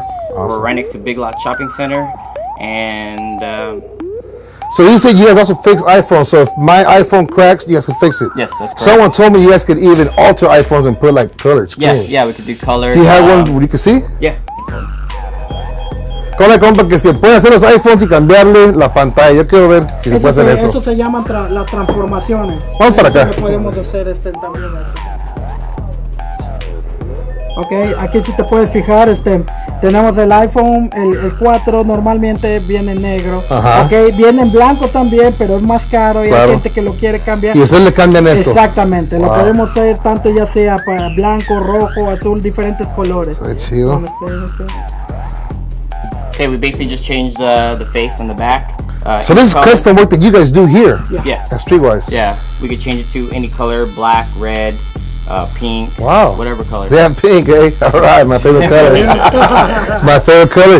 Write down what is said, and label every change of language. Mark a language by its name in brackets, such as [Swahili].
[English] Awesome. We're right next to Big Lot Shopping Center. And so you said you guys also fix iPhones. So if my iPhone cracks, you guys can fix it. Yes, that's correct. Someone told me you guys could even alter iPhones and put like color screens. Yeah, we could do colors. Do you have one where you can see? Yeah. [Spanish] Hola, compa, que es que puede hacer los iPhones y cambiarle la pantalla. Yo quiero ver si se puede hacer eso. Eso se llaman las transformaciones. Vamos eso para acá. Podemos hacer también. Ok, aquí si te puedes fijar, tenemos el iPhone, el 4 normalmente viene negro. Ajá. Ok, viene en blanco también, pero es más caro y claro, hay gente que lo quiere cambiar. Y ustedes le cambian esto. Exactamente, lo podemos hacer tanto ya sea para blanco, rojo, azul, diferentes colores. Qué chido. [English] Okay, we basically just changed the face on the back. So this is custom work that you guys do here. Yeah. At Streetwise. Yeah. We could change it to any color, black, red, pink. Wow. Whatever color. Yeah, pink, eh? All right, my favorite color. It's my favorite color.